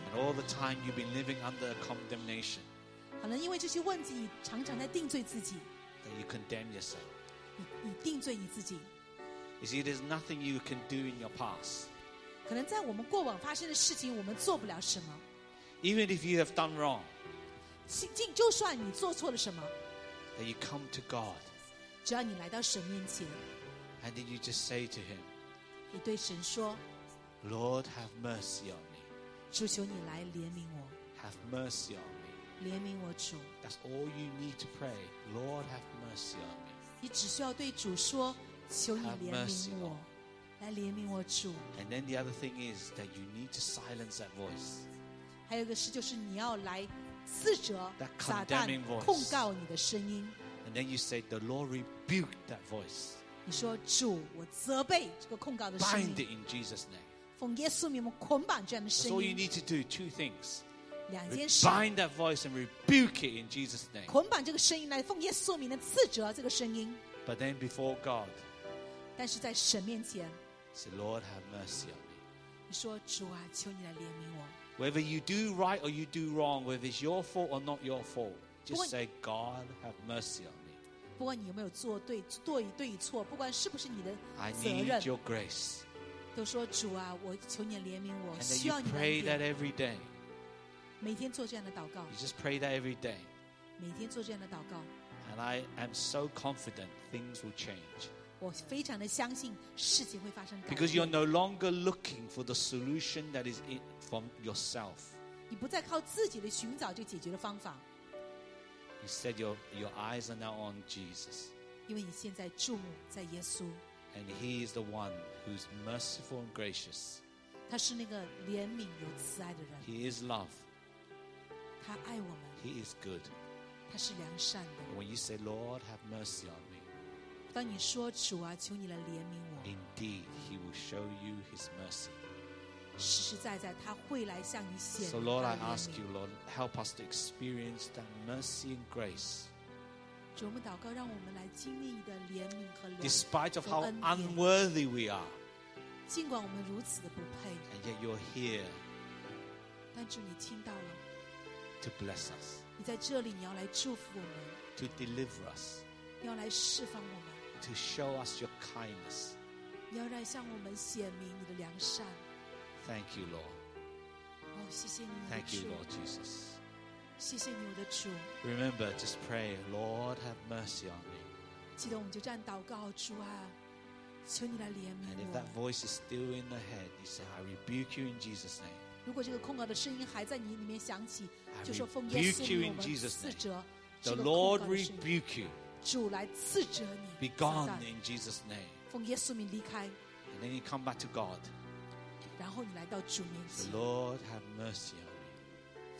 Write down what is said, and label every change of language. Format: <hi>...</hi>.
<en>And all the time you've been living under condemnation.</en> <zh>可能因为这些问题，你常常在定罪自己。</zh> <en>That you condemn yourself.</en> <zh>你定罪你自己。</zh> <en>You see, there's nothing you can do in your past.</en> <zh>可能在我们过往发生的事情，我们做不了什么。</zh> <en>Even if you have done wrong.</en> <zh>就算你做错了什么。</zh> <en>That you come to God.</en> <zh>只要你来到神面前，</zh> <en>and then you just say to him,</en> <zh>你对神说，</zh> <en>Lord, have mercy on me.</en> <zh>主求你来怜悯我，</zh> <en>have mercy on me.</en> <zh>怜悯我主，</zh> <en>that's all you need to pray. Lord, have mercy on me.</en> <zh>你只需要对主说，求你怜悯我，</zh> <en>have mercy on me.</en> <zh>来怜悯我主。</zh> <en>And then the other thing is that you need to silence that voice.</en> <zh>还有一个事就是你要来斥责撒旦控告你的声音。</zh> <en>And then you say the Lord rebuke that voice.</en> <zh>你说主，我责备这个控告的声音。</zh> <en>Bind it in Jesus' name.</en> <zh>奉耶稣名，我捆绑这样的声音。</zh> <en>That's all you need to do. Two things.</en> <zh>两件事</zh> <en>bind that voice and rebuke it in Jesus' name.</en> <zh>捆绑这个声音来奉耶稣名的斥责这个声音。</zh> <en>But then before God,</en> <zh>但是在神面前</zh> <en>say, Lord, have mercy on me.</en> <zh>你说主啊，求你来怜悯我。</zh> <en>Whether you do right or you do wrong, whether it's your fault or not your fault, just say, God, have mercy on me.</en> <zh>不管你有没有做对对对与错，不管是不是你的责任</zh> <en>I need your grace.</en> <zh>都说主啊，我求你怜悯我，需要你的怜悯。</zh> <en>And you pray that every day.</en> <zh>每天做这样的祷告。</zh> <en>You just pray that every day.</en> <zh>每天做这样的祷告。</zh> <en>And I am so confident things will change.</en> <zh>我非常的相信事情会发生改变。</zh> <en>Because you're no longer looking for the solution that is it from yourself.</en> <zh>你不再靠自己的寻找就解决的方法。</zh> <en>Instead, your eyes are now on Jesus.</en> <zh>因为你现在注目在耶稣。</zh> <en>And He is the one who's merciful and gracious.</en> <zh>他是那个怜悯有慈爱的人。</zh> <en>He is love.</en> <zh>他爱我们</zh> <en>He is good.</en> <zh>他是良善的</zh> <en>When you say, Lord, have mercy on me.</en> <zh>当你说主啊，求你来怜悯我</zh> <en>Indeed, He will show you His mercy.</en> <zh>实实在在，他会来向你显</zh> <en>So Lord, I ask you, Lord, help us to experience that mercy and grace.</en> <zh>主，我们祷告，让我们来经历你的怜悯和怜悯</zh> <en>Despite of how unworthy we are.</en> <zh>尽管我们如此的不配</zh> <en>And yet you're here.</en> <zh>但主，你听到了</zh> <en>To bless us.</en> <zh>你在这里，你要来祝福我们。</zh> <en>To deliver us.</en> <zh>你要来释放我们。</zh> <en>To show us your kindness.</en> <zh>你要来向我们显明你的良善。</zh> <en>Thank you, Lord.</en> <zh>哦，谢谢你。</zh> <en>Thank you, Lord Jesus.</en> <zh>谢谢你，我的主。</zh> <en>Remember, just pray, Lord, have mercy on me.</en> <zh>记得我们就这样祷告，主啊，求你来怜悯我。</zh> <en>And if that voice is still in the head, you say, I rebuke you in Jesus' name.</en> <zh>如果这个控告的声音还在你里面响起，就说奉耶稣名我们斥责。</zh> <en>The Lord rebuke you.</en> <zh>主来斥责你。</zh> <en>Be gone in Jesus' name.</en> <zh>奉耶稣名离开。</zh> <en>And then you come back to God.</en> <zh>然后你来到主面前。</zh> <en>The Lord have mercy on me.</en>